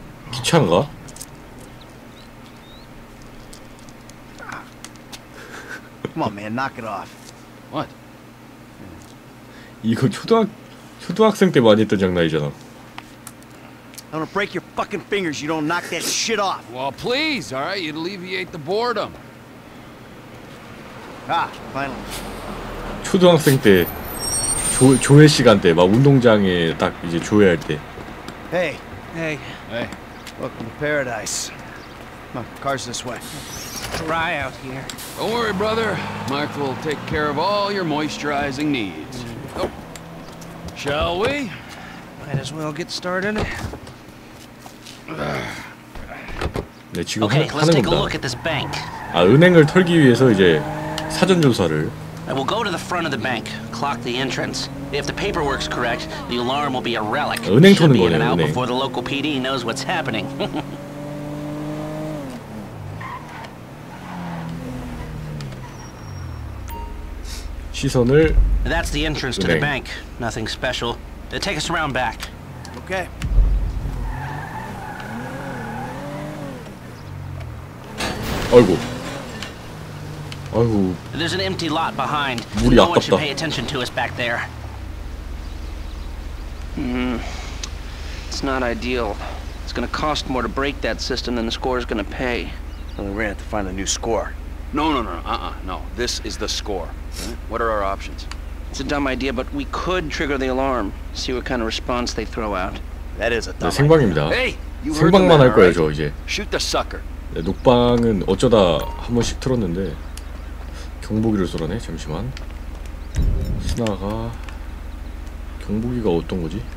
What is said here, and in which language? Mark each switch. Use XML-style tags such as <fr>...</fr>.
<ko>기차인가?</ko> <en>아. Come on, man. Knock it off. What?</en> <ko>이거 초등학생 때 많이 했던 장난이잖아.</ko> <en>I'm gonna break your fucking fingers. You don't knock that shit off. Well, please, all right. You'd alleviate the boredom. Ah, finally.</en> <ko>초등학생 때 조회 시간 때 막 운동장에 딱 이제 조회할 때.</ko> <en>Hey, hey, hey. Welcome to paradise. My car's this way. Dry out here. Don't worry, brother. Mark will take care of all your moisturizing needs. Shall we? Might as well get started.</en> <ko>네, 지금 okay, 하는 겁니다.</ko> <en>Let's take a look at this bank.</en> <ko>아, 은행을 털기 위해서 이제 사전 조사를.</ko> <en>I will go to the front of the bank, clock the entrance. If the paperwork's correct, the alarm will be a relic.</en> <ko>은행 터는 거네, 은행.</ko> <en>Should be in and out before the local PD knows what's happening.</en> <ko>시선을</ko> <en>That's the entrance to the bank. Nothing special. Take us around back. Okay.</en> <ko>아이고. 아이고.</ko> <en>There's an empty lot behind.</en> <ko>물이</ko> <en>no</en> <ko>아깝다.</ko> <en>One should pay attention to us back there. It's not ideal. It's going to cost more to break that system than the score is going to pay. Well, we're going to have to find a new score. No. No. This is the score. What are our options? It's a dumb idea, but we could trigger the alarm. See what kind of response they throw out. That is a dumb idea.</en> <ko>네, 생방입니다.</ko> <en>Hey,</en> <ko>생방만 할 거예요, 저 이제.</ko> <en>Shoot the sucker.</en> <ko>네, 녹방은 어쩌다 한 번씩 틀었는데 경보기를 쏘라네. 잠시만. 신화가 경보기가 어떤 거지?</ko>